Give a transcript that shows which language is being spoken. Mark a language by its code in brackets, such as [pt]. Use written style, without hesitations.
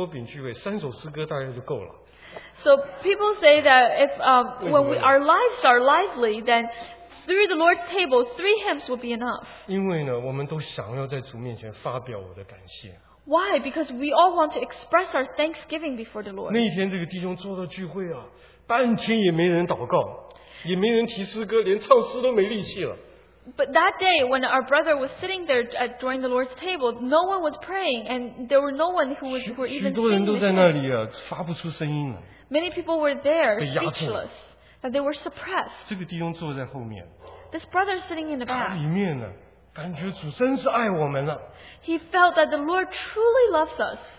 [zh] 所以有人讲啊，当我们生命活泼的时候，波饼聚会，三首诗歌大概就够了。 [en] So people say that if when our lives are lively, then through the Lord's table, three hymns would be enough. [zh] 因为呢，我们都想要在主面前发表我的感谢。 [en] Why? Because we all want to express our thanksgiving before the Lord. [zh] 那一天这个弟兄坐到聚会啊，半天也没人祷告，也没人提诗歌，连唱诗都没力气了。 [en] But that day when our brother was sitting there during the Lord's table, no one was praying, and there were no one who was even singing. [zh] 许多人都在那里啊，发不出声音了。 [en] Many people were there, speechless, that they were suppressed. [zh] 这个弟兄坐在后面。 [en] This brother sitting in the back. [zh] 里面呢？感觉主真是爱我们了。 [en] He felt that the Lord truly loves us.